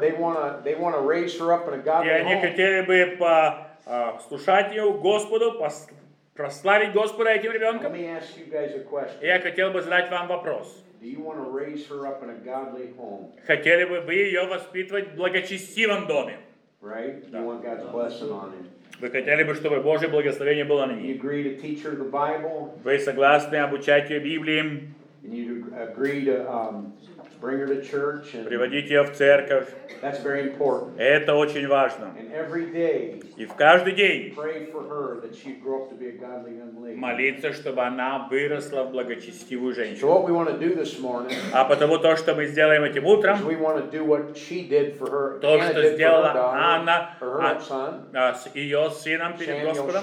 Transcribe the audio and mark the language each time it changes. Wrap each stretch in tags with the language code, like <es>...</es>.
<en>They want to raise her up in a godly home.</en> <ru>И они хотели бы послушать ее Господу, прославить Господа этим ребенком.</ru> <en>Let me ask you guys a question.</en> <ru>И я хотел бы задать вам вопрос.</ru> <en>Do you want to raise her up in a godly home?</en> <ru>Хотели бы вы ее воспитывать в благочестивом доме?</ru> <en>Right? You want God's blessing on it.</en> <ru>Вы хотели бы, чтобы Божье благословение было на ней?</ru> <en>You agree to teach her the Bible?</en> <ru>Вы согласны обучать ее Библии?</ru> <en>And you agree to bring her to church? And</en> <ru>приводить ее в церковь?</ru> <en>That's very important.</en> <ru>Это очень важно.</ru> <en>And every day.</en> <ru>И в каждый день.</ru> <en>Pray for her that she grow up to be a godly young lady.</en> <ru>Молиться, чтобы она выросла в благочестивую женщину.</ru> <en>So what we want to do this morning?</en> <ru>А потому то, что мы сделаем этим утром.</ru> <en>We want to do what she did for her.</en> <ru>То, что сделала Анна, с ее сыном перед Господом.</ru>